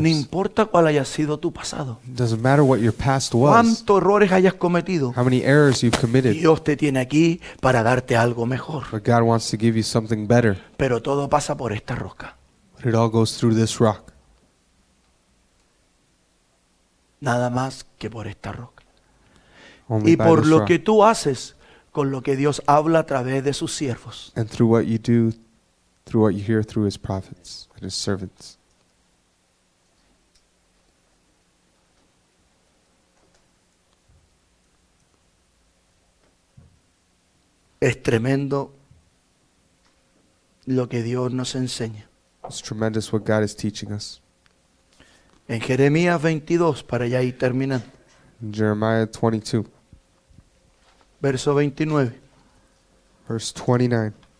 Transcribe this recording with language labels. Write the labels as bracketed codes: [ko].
[es] No importa cuál haya sido tu pasado. [en] It doesn't matter what your past was. [es] Cuántos errores hayas cometido. [en] How many errors you've committed. [es] Dios te tiene aquí para darte algo mejor. [en] But God wants to give you something better. [es] Pero todo pasa por esta roca. [en] But it all goes through this rock. [es] Nada más que por esta roca. Y por lo que tú haces con lo que Dios habla a través de sus siervos. [en] And through what you do, through what you hear through his prophets and his servants. [es] Es tremendo lo que Dios nos enseña. [en] It's tremendous what God is teaching us. [es] En Jeremías 22, para ya ir terminando. [en] Jeremiah 22. [es] Verso 29. [en] Verse 29.